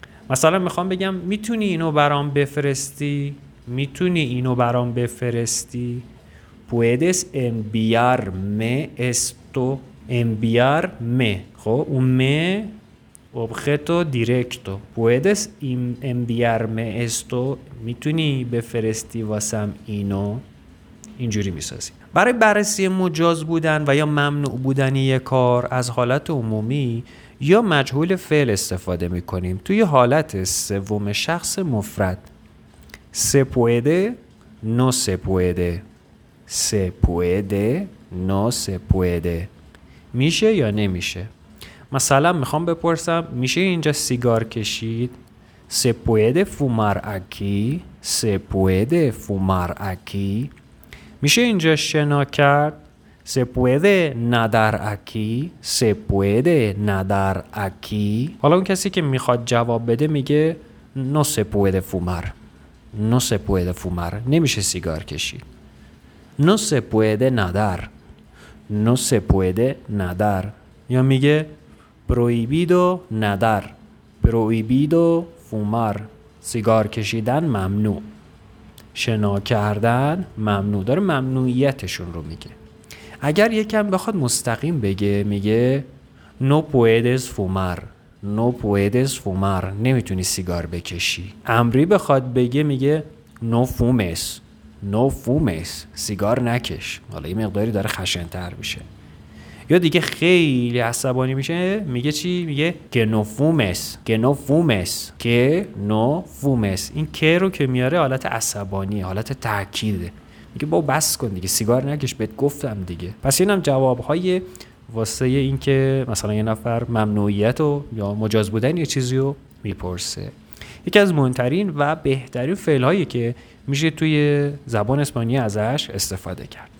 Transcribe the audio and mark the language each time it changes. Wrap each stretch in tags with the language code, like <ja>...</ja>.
<fa>مثلا میخوام بگم میتونی اینو برام بفرستی، میتونی اینو برام بفرستی،</fa> <es>puedes enviarme esto، enviarme،</es> <fa>خب اون</fa> <es>me objeto directo، puedes enviarme esto،</es> <fa>میتونی بفرستی واسم اینو. اینجوری میسازی. برای بررسی مجاز بودن و یا ممنوع بودن یک کار از حالت عمومی یا مجهول فعل استفاده میکنیم. توی حالت سوم شخص مفرد</fa> <es>se puede، no se puede، se puede، no se puede،</es> <fa>میشه یا نمیشه. مثلا میخوام بپرسم میشه اینجا سیگار کشید؟</fa> <es>se puede fumar aquí، se puede fumar aquí،</es> <fa>میشه اینجا شنا کرد؟</fa> <es>se puede nadar aquí، se puede nadar aquí.</es> <fa>حالا اون کسی که میخواد جواب بده میگه</fa> <es>no se puede fumar،</es> <fa>no se puede fumar، نمیشه سیگار کشید.</fa> <es>no se puede nadar، no se puede nadar،</es> <fa>یا میگه</fa> <es>prohibido nadar، prohibido fumar،</es> <fa>سیگار کشیدن ممنوع، شنا کردن ممنوع، داره ممنوعیتشون رو میگه. اگر یکم بخواد مستقیم بگه میگه</fa> <es>no puedes fumar، no puedes fumar،</es> <fa>نمیتونی سیگار بکشی. امری بخواد بگه میگه</fa> <es>no fumes، no fumes،</es> <fa>سیگار نکش. حالا یه مقداری داره خشنتر میشه. یا دیگه خیلی عصبانی میشه میگه چی؟ میگه</fa> <es>que no fumes، que no fumes، que no fumes.</es> <fa>این که رو که میاره حالت عصبانیه، حالت تاکیده، میگه با بس کن دیگه، سیگار نکش، بهت گفتم دیگه. پس اینم جوابهای واسه این که مثلا یه نفر ممنوعیت و یا مجاز بودن یه چیزی رو میپرسه. یکی از مهمترین و بهترین فعلهایی که میشه توی زبان اسپانیا ازش استفاده کرد.</fa>